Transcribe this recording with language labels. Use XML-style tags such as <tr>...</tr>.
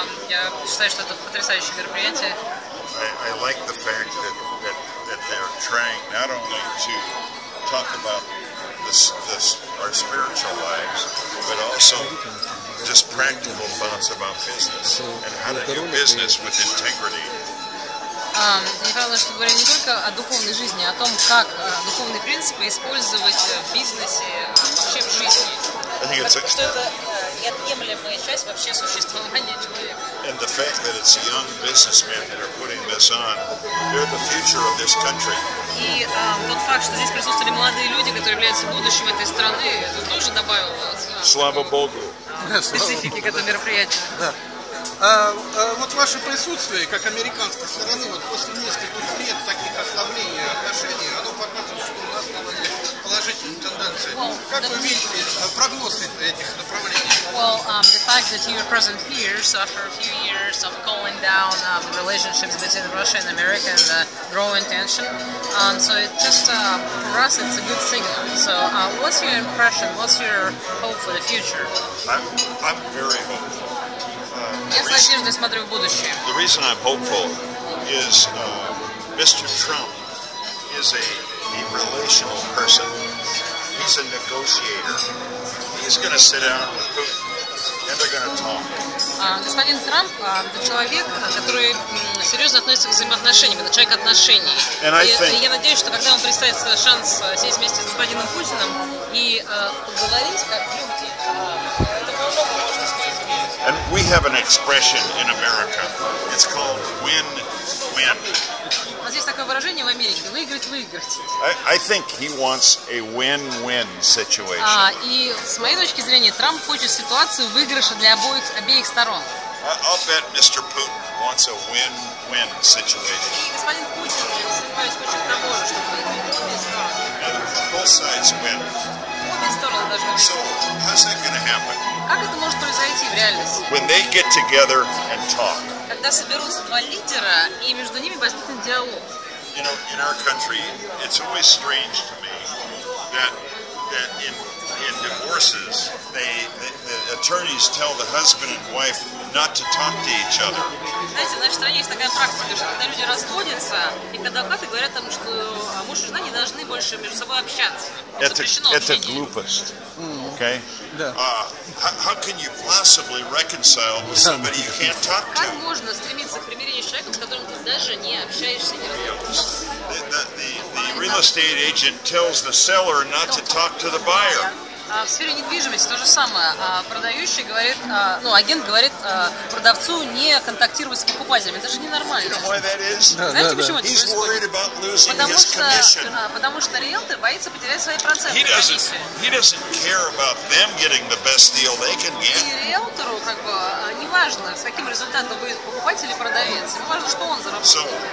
<ru>Я считаю, что это потрясающее мероприятие.</ru> <en>I like the fact that they're trying not only to talk about this our spiritual lives, but also just practical thoughts about business and how to do business with integrity.</en> <ru>Мне понравилось, что говорили не только о духовной жизни, а о том, как духовные принципы использовать в бизнесе, вообще в жизни. Что это неотъемлемая часть вообще существования человека.</ru> <en>And the fact that it's young businessmen that are putting this on, they're the future of this country.</en> <ru>И тот факт, что здесь присутствовали молодые люди, которые являются будущим этой страны, это тоже добавило слава Богу специфики к этому мероприятию. Вот ваше присутствие, как американской стороны, вот после нескольких лет таких ослабления отношений, оно показывает, что у нас были положительные тенденции. Как вы видите прогноз этих направлений?</ru> <en>Well, the fact that you're present here, so after a few years of calling down relationships between Russia and America and the growing tension, so it just, for us, it's a good signal. So what's your impression, what's your hope for the future? I'm very hopeful. The reason I'm hopeful is Mr. Trump is a relational person. He's a negotiator. He's going to sit down with Putin.</en> <ru>Господин Трамп, это человек, который серьезно относится к взаимоотношениям, это человек отношений. И я надеюсь, что когда вам представится шанс сесть вместе с господином Путиным и поговорить как люди, это можно сказать.</ru> <en>And we have an expression in America. It's called win-win.</en> <ru>У нас есть такое выражение в Америке: выиграть, выиграть.</ru> <en>I think he wants a win-win situation.</en> <ru>И с моей точки зрения, Трамп хочет ситуацию выигрыша для обеих сторон.</ru> <en>I'll bet Mr. Putin wants a win-win situation.</en> <ru>И господин Путин, я сомневаюсь, хочет того же, чтобы обе стороны.</ru> <en>Both sides win.</en> <ru>Обе стороны должны быть.</ru> <en>So how's that going to happen?</en> <ru>Как это может произойти в реальности?</ru> <en>When they get together and talk.</en> <ru>Когда соберутся два лидера и между ними возникнет диалог.</ru> <en>You know, in our country, it's always strange to me that that in divorces, the attorneys tell the husband and wife not to talk to each other.</en> <ru>Знаете, в нашей стране есть такая практика, что когда люди расходятся, и когда адвокаты говорят тому, что муж и жена не должны больше между собой общаться. Это глупость.</ru> <en>Okay? Yeah. How can you possibly reconcile with somebody you can't talk to?</en> <ru>Как можно стремиться к примирению с человеком, с которым ты даже не общаешься, не разговариваешь?</ru> <en>The real estate agent tells the seller not to talk to the buyer.</en> <ru>В сфере недвижимости то же самое. Продающий говорит, ну, агент говорит продавцу не контактировать с покупателями. Это же ненормально.</ru> <en>You know why that is?</en> <ru>Знаете, почему это происходит?</ru> <en>He's worried about losing his commission.</en> <ru>Потому что риэлтор боится потерять свои проценты.</ru> <en>He doesn't care about them getting the best deal they can get.</en> <ru>И риэлтору как бы не важно, с каким результатом будет покупатель или продавец. Ему важно, что он заработает.</ru>